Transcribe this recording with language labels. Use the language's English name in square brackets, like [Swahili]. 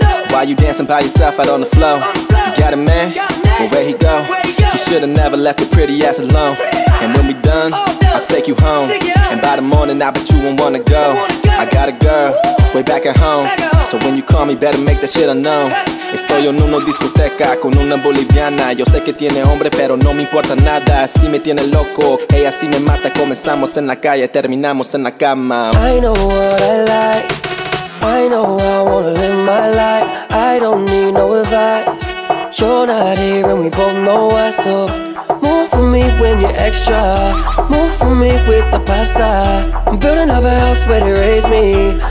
[English] Why you dancing by yourself out on the floor? You got a man? Well, where he go? You should've never left your pretty ass alone. And when we done, I'll take you home. And by the morning, I bet you won't wanna go. I got a girl, way back at home. So when you call me, better make that shit unknown. [Spanish] Estoy en una discoteca con una boliviana. Yo sé que tiene hombre, pero no me importa nada. Así me tiene loco, ella así me mata. Comenzamos en la calle, terminamos en la cama. [English] I know what I like. I know I wanna live my life. I don't need no advice. You're not here and we both know why, so move for me when you're extra. Move for me with the pasta. I'm building up a house where they raise me.